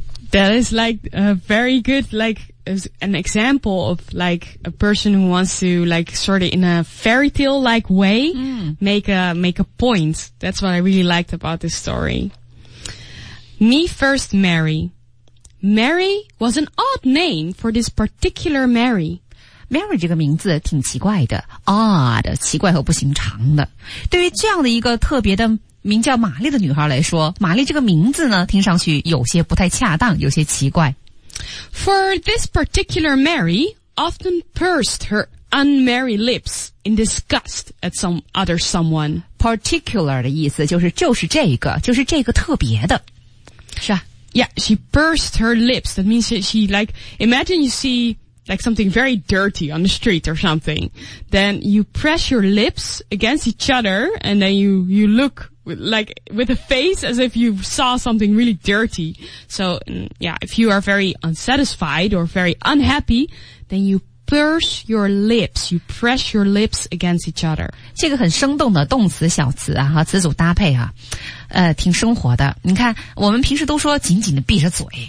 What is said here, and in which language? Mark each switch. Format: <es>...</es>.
<en>That is like a very good, like an example of like a person who wants to like sort of in a fairy tale like way make a point. That's what I really liked about this story. Me first, Mary. Mary was an odd name for this particular Mary.</en> <zh>Mary 这个名字挺奇怪的 ,odd, 奇怪和不寻常的。对于这样的一个特别的名叫玛丽的女孩来说，玛丽这个名字呢，听上去有些不太恰当，有些奇怪。</zh> <en>For this particular Mary often pursed her unmerry lips in disgust at some other someone.</en> <zh>Particular 的意思就是这个，就是这个特别的。是啊。</zh> <en>Yeah, she pursed her lips. That means she like, imagine you see,like something very dirty on the street or something, then you press your lips against each other and then you look like with a face as if you saw something really dirty. So yeah, if you are very unsatisfied or very unhappy, then you purse your lips, you press your lips against each other.</en> <zh>这个很生动的动词小词啊和词组搭配啊挺生活的。你看我们平时都说紧紧的闭着嘴。</zh>